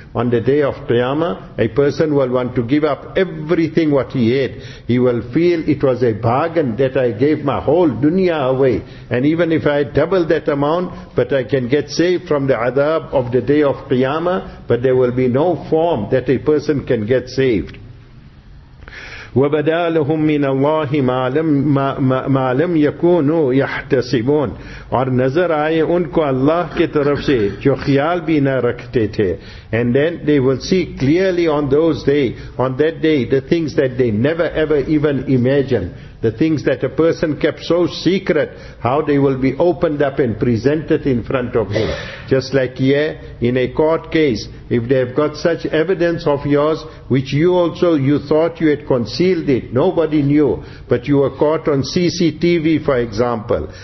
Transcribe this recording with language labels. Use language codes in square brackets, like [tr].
[en] On the day of Qiyamah, a person will want to give up everything what he had. He will feel it was a bargain that I gave my whole dunya away. And even if I double that amount, but I can get saved from the adab of the day of Qiyamah, but there will be no form that a person can get saved. [ar] وَبَدَى لَهُمْ مِنَ اللَّهِ مَا لَمْ يَكُونُوا يَحْتَسِبُونَ [ur] اور نظر آئے ان کو اللہ کے طرف سے جو خیال بھی نہ رکھتے تھے. [en] And then they will see clearly on that day, the things that they never ever even imagined. The things that a person kept so secret, how they will be opened up and presented in front of him. Just like here, in a court case, if they have got such evidence of yours, which you thought you had concealed it, nobody knew, but you were caught on CCTV, for example.